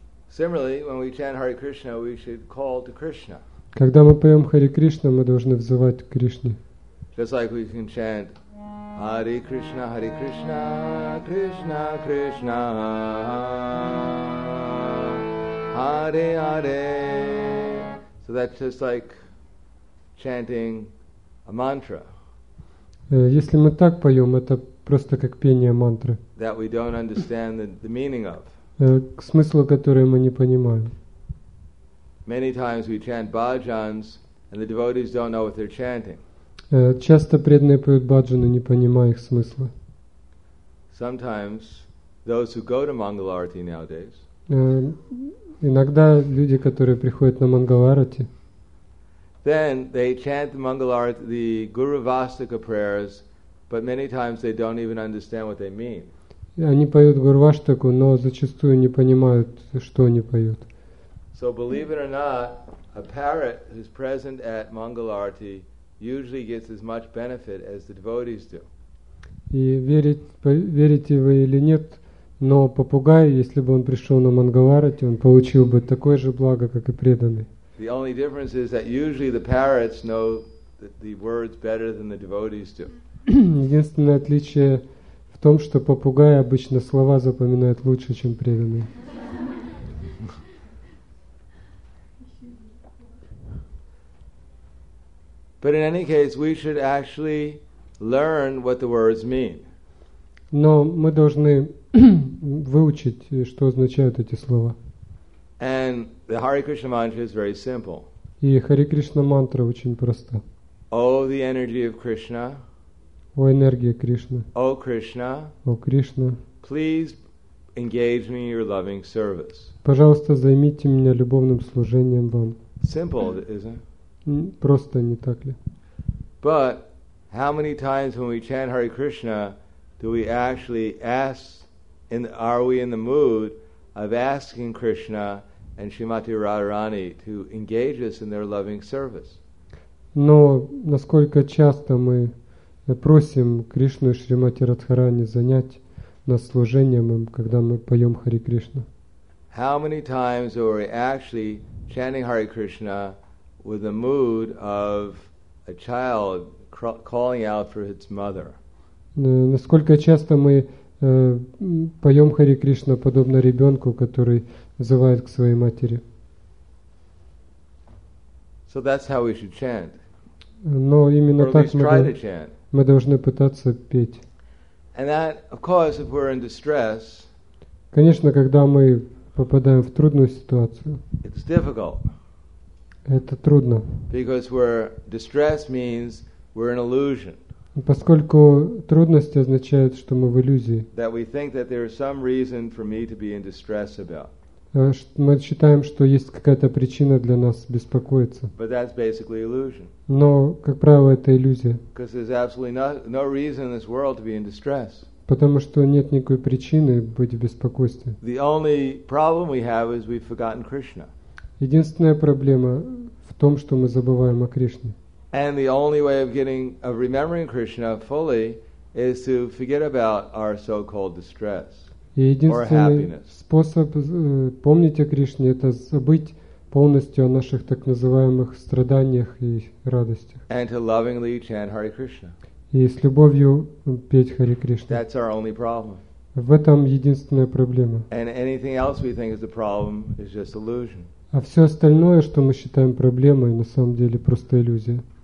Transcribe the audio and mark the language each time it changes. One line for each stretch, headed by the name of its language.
English: Similarly, when we chant Hare Krishna, we should call to Krishna.
Russian: Когда мы поем Хари Кришна, мы должны взывать к Кришне.
English: Just like we can chant Hare Krishna, Hare Krishna, Krishna Krishna, Hare Hare. So that's just like chanting a mantra.
Russian: Если мы так поем, это просто как пение мантры.
English: That we don't understand the meaning of.
Russian: К смыслу, который мы не понимаем.
English: Many times we chant bhajans and the devotees don't know what they're chanting.
Russian: Часто преданные поют бхаджаны, не понимая их смысла.
English: Sometimes those who go to Mangal Arati nowadays.
Russian: Иногда люди, которые приходят на Mangal Arati.
English: Then they chant the Mangal Arati, the Guru Vastika prayers, but many times they don't even understand what they mean.
Russian: Они поют Гурваштаку, но зачастую не понимают, что они поют.
English: So believe it or not, a parrot who's present at Mangal Arati usually gets as much benefit as the devotees do.
Russian: И верите вы или нет, но попугай, если бы он пришел на Мангал Арати, он получил бы такое же благо, как и преданный.
English: The only difference is that usually the parrots know the words better than the devotees do.
Russian: Единственное отличие в том, что попугай обычно слова запоминает лучше, чем преданный.
English: But in any case, we should actually learn what the words mean.
Russian: Но мы должны выучить, что означают эти слова.
English: And the Hare Krishna mantra is very simple.
Russian: И Хари Кришна мантра очень проста.
English: Oh, the energy of Krishna.
Russian: О энергия Кришны.
English: Oh, Krishna.
Russian: О Кришна.
English: Please engage me in your loving service.
Russian: Пожалуйста, займите меня любовным служением вам.
English: Simple, isn't it?
Russian: Просто не так ли?
English: But how many times when we chant Hare Krishna do we actually ask and are we in the mood of asking Krishna and Shrimati Radharani to engage us in their loving service?
Russian: Но насколько часто мы просим Кришну и Шримати Радхарани занять нас служением им, когда мы поем Хари Кришна?
English: How many times are we actually chanting Hare Krishna with the mood of a child calling out for its mother?
Russian: Насколько часто мы поем Хари Кришна подобно ребенку, который взывает к своей матери?
English: So that's how we should chant.
Russian: Но именно так мы должны пытаться петь.
English: And that, of course, if we're in distress.
Russian: Конечно, когда мы попадаем в трудную ситуацию.
English: It's difficult.
Russian: Это трудно.
English: Because we're distress means we're an illusion.
Russian: Поскольку трудности означают, что мы в иллюзии.
English: That we think that there is some reason for me to be in distress about.
Russian: Мы считаем, что есть какая-то причина для нас беспокоиться.
English: But that's basically illusion.
Russian: Но, как правило, это иллюзия.
English: Because there's absolutely no reason in this world to be in distress.
Russian: Потому что нет никакой причины быть в беспокойстве.
English: The only problem we have is we've forgotten Krishna.
Russian: Единственная проблема в том, что мы забываем о Кришне.
English: And the only way of getting of remembering Krishna fully is to forget about our so-called distress or happiness.
Russian: Единственный способ помнить о Кришне — это забыть полностью о наших так называемых страданиях и радостях.
English: And to lovingly chant Hare Krishna.
Russian: И с любовью петь Хари Кришна.
English: That's our only problem.
Russian: В этом единственная проблема.
English: And anything else we think is a problem is just illusion.
Russian: А все остальное, что мы считаем проблемой, на самом деле просто иллюзия.